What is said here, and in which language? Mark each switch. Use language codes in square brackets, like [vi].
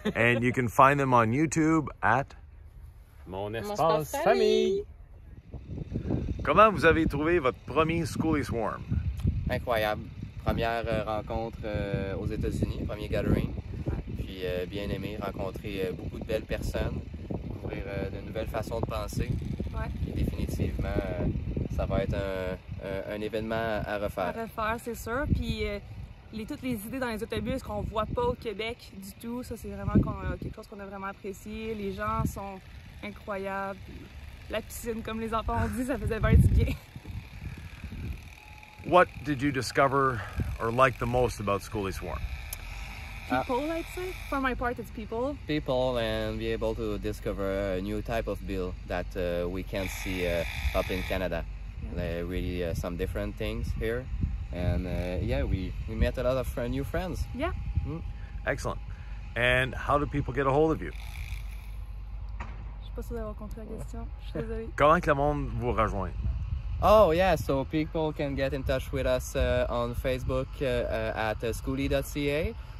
[en] And you can find them on YouTube at... [fr] Mon espace famille. Comment vous avez trouvé votre premier Skoolie Swarm? Incroyable. Première rencontre aux États-Unis, premier gathering. Puis bien aimé, rencontrer beaucoup de belles personnes, découvrir de nouvelles façons de penser. Ouais. Définitivement, ça va être un événement à refaire. À refaire, c'est sûr. Puis, toutes les idées dans les autobus qu'on voit pas au Québec du tout, ça, c'est vraiment quelque chose qu'on a vraiment apprécié. Les gens sont incroyables. La piscine, comme les enfants ont dit, ça faisait bien du bien. [en] What did you discover or like the most about Skoolie Swarm? People, I'd say. For my part, it's people. People and be able to discover a new type of bill that we can't see up in Canada. Yeah. Really some different things here. And we met a lot of new friends. Yeah. Mm-hmm. Excellent. And how do people get a hold of you? [fr] Je suis pas sûr d'avoir compris la question. Je suis désolé. Comment que le monde vous rejoint? [en] Oh, yeah. So people can get in touch with us on Facebook at skoolie.ca.